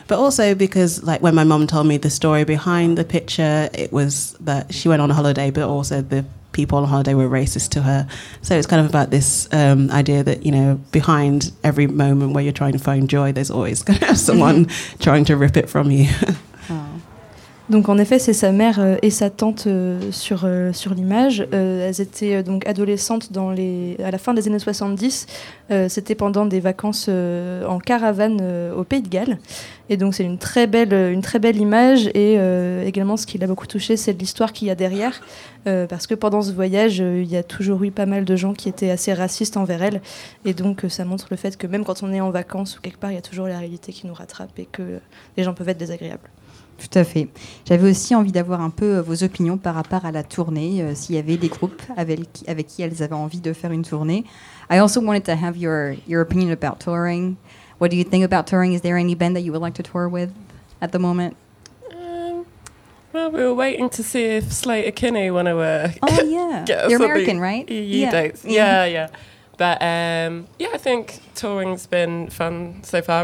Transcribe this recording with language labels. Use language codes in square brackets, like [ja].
[en] But also because, like, when my mum told me the story behind the picture, it was that she went on a holiday, but also the people on holiday were racist to her. So it's kind of about this idea that, you know, behind every moment where you're trying to find joy, there's always going to have someone trying to rip it from you. [fr] Donc en effet, c'est sa mère et sa tante sur l'image. Elles étaient donc adolescentes à la fin des années 70. C'était pendant des vacances en caravane au Pays de Galles. Et donc c'est une très belle image. Et également, ce qui l'a beaucoup touchée, c'est l'histoire qu'il y a derrière. Parce que pendant ce voyage, il y a toujours eu pas mal de gens qui étaient assez racistes envers elle. Et donc ça montre le fait que même quand on est en vacances ou quelque part, il y a toujours la réalité qui nous rattrape et que les gens peuvent être désagréables. Tout à fait. J'avais aussi envie d'avoir un peu vos opinions par rapport à la tournée, s'il y avait des groupes avec qui elles avaient envie de faire une tournée. [en] I also wanted to have your opinion about touring. What do you think about touring? Is there any band that you would like to tour with at the moment? Well, we were waiting to see if Slater Kinney want to work. Oh, yeah. You're American, right? Dates. Yeah, yeah. But, I think touring's been fun so far.